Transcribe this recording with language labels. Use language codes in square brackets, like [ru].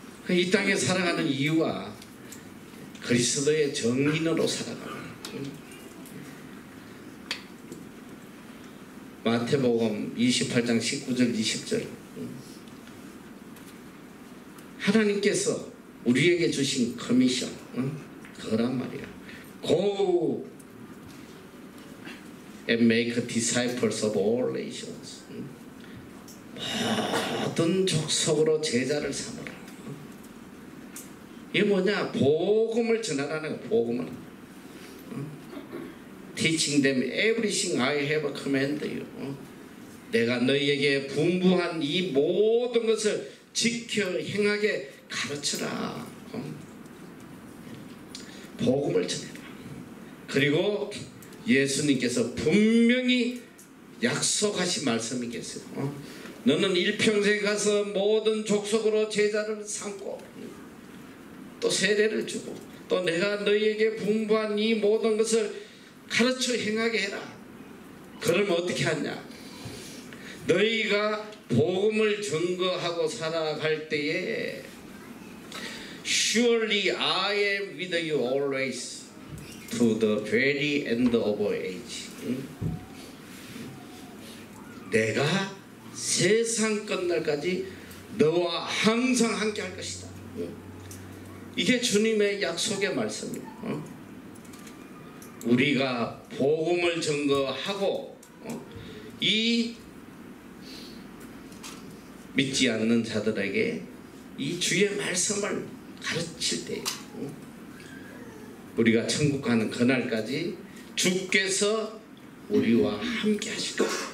[ko] 이 땅에 살아가는 이유가 그리스도의 증인으로 살아가는 거예요. 마태복음 28장 19절 20절 하나님께서 우리에게 주신 커미션 그거란 말이야. [en] Go and make disciples of all nations. [ko] 모든 족속으로 제자를 삼으라. 이게 뭐냐? 복음을 전하라는 거야. 복음을. [en] Teaching them everything I have commanded you. [ko] 내가 너희에게 분부한 이 모든 것을 지켜 행하게 가르쳐라. 복음을 전해라. 그리고 예수님께서 분명히 약속하신 말씀이겠어요. 너는 일평생 가서 모든 족속으로 제자를 삼고 또 세례를 주고 또 내가 너희에게 분부한 이 모든 것을 가르쳐 행하게 해라. 그러면 어떻게 하냐? 너희가 복음을 증거하고 살아갈 때에 [en] Surely I am with you always to the very end of age. [ko] 내가 세상 끝날까지 너와 항상 함께 할 것이다. 이게 주님의 약속의 말씀이에요. 우리가 복음을 증거하고 이 믿지 않는 자들에게 이 주의 말씀을 가르칠 때 우리가 천국 가는 그날까지 주께서 우리와 함께 하실 거야.